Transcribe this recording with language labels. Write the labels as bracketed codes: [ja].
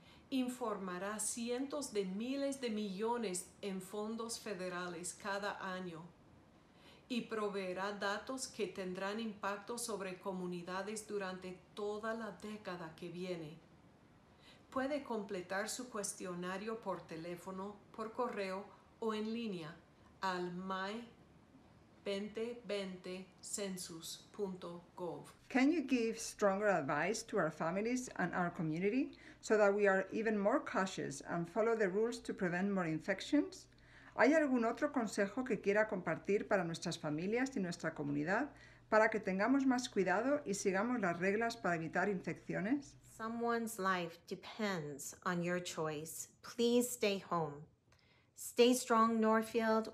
[es] Informará cientos de miles de millones en fondos federales cada año y proveerá datos que tendrán impacto sobre comunidades durante toda la década que viene. Puede completar su cuestionario por teléfono, por correo o en línea al my2020census.gov. [en] Can you give stronger advice to our families and our community so that we are even more cautious and follow the rules to prevent more infections? [es] ¿Hay algún otro consejo que quiera compartir para nuestras familias y nuestra comunidad para que tengamos más cuidado y sigamos las reglas para evitar infecciones? [en] Someone's life depends on your choice. Please stay home. Stay strong, Northfield.